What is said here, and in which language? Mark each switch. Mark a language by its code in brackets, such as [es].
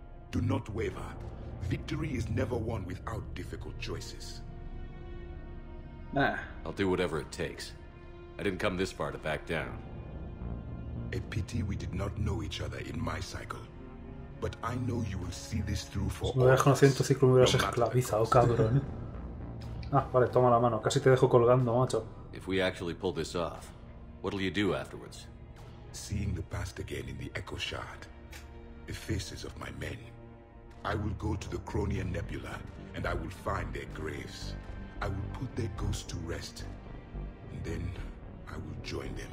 [en] Do not waver. Victory is never won without difficult choices. Nah. I'll do whatever it takes. I didn't come this far to back down. A pity we did not know each other in my cycle. But I know you will see this through for all. [es] Si me hubieras conocido en tu ciclo, me hubieras esclavizado, cabrón. Ah, vale, toma la mano. Casi te dejo colgando, macho. [en] If we actually pull this off, what'll you do afterwards? Seeing the past again in the Echo Shard, the faces of my men. I will go to the Cronian Nebula, and I will find their graves. I will put their ghosts to rest, and then I will join them.